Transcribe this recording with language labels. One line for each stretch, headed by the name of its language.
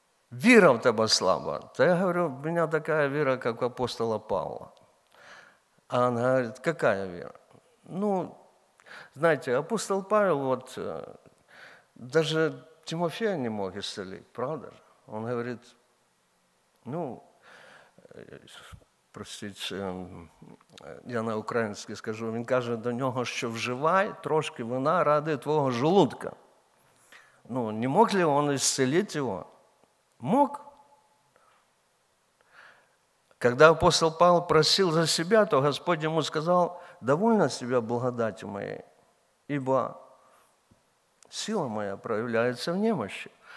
Russian: Вера в тебя слаба. Да я говорю, у меня такая вера, как у апостола Павла. А она говорит, какая вера? Ну, знаете, апостол Павел, вот, даже Тимофея не мог исцелить, правда же? Он говорит, ну, простите, я на украинский скажу,
Ukrainian: він каже до нього, що вживай трошки вина ради твого желудка.
Russian: Ну, не мог ли он исцелить его? Мог. Когда апостол Павел просил за себя, то Господь ему сказал, довольно себя благодатью моей, ибо сила моя проявляется в немощи.